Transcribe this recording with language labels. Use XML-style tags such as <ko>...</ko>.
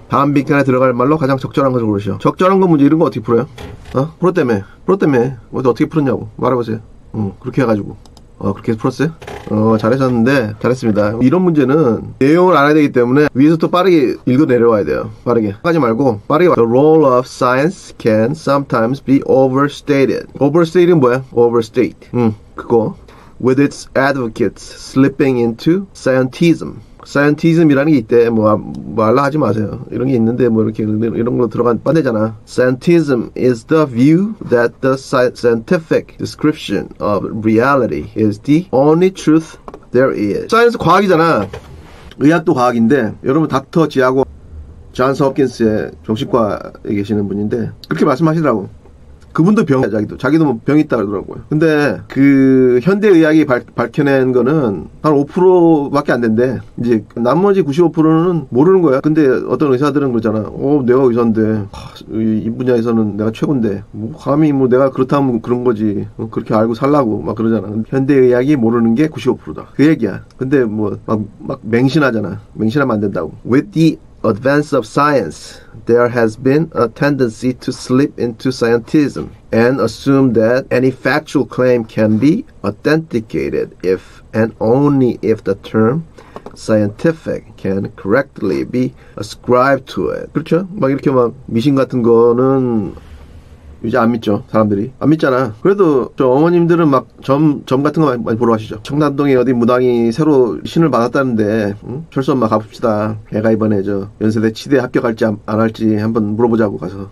<ko>다음 빈칸에 들어갈 말로 가장 적절한 것을 고르시오. 적절한 거 문제 이런 거 어떻게 풀어요? 어? 프로 때문에. 어떻게 풀었냐고. 말해보세요. 그렇게 해가지고. 그렇게 해서 풀었어요? 잘하셨는데, 잘했습니다. 이런 문제는 내용을 알아야 되기 때문에 위에서부터 빠르게 읽어 내려와야 돼요. 빠르게. 하지 말고, 빠르게.</ko> <en>The role of science can sometimes be overstated. Overstated은 뭐야? Overstate.</en> <ko>그거.</ko> <en>With its advocates slipping into scientism.</en> <ko>Scientism이라는 게 있대. 말라 하지 마세요. 이런 게 있는데, 이런 걸로 들어간 빠내잖아.</ko> <en>Scientism is the view that the scientific description of reality is the only truth there is.</en> <ko>Science 과학이잖아. 의학도 과학인데, 여러분 닥터 지하고 존스 홉킨스의 정신과에 계시는 분인데, 그렇게 말씀하시더라고. 그분도 병이야, 자기도. 자기도 뭐 병이 있다 그러더라고요. 근데 그 현대의학이 밝혀낸 거는 한 5%밖에 안 된대. 이제 나머지 95%는 모르는 거야. 근데 어떤 의사들은 그러잖아. 내가 의사인데 이 분야에서는 내가 최고인데 내가 그렇다면 그런 거지. 그렇게 알고 살라고 막 그러잖아. 현대의학이 모르는 게 95%다. 그 얘기야. 근데 막 맹신하잖아. 맹신하면 안 된다고.</ko> <en>With the advance of science, there has been a tendency to slip into scientism and assume that any factual claim can be authenticated if and only if the term scientific can correctly be ascribed to it.</en> <ko>그렇죠? 막 이렇게 막 미신 같은 거는 이제 안 믿죠, 사람들이. 안 믿잖아. 그래도 저 어머님들은 막 점 같은 거 많이 보러 가시죠. 청담동에 어디 무당이 새로 신을 받았다는데 응? 철수 엄마 가봅시다. 애가 이번에 저 연세대 치대 합격할지 안 할지 한번 물어보자고 가서.</ko>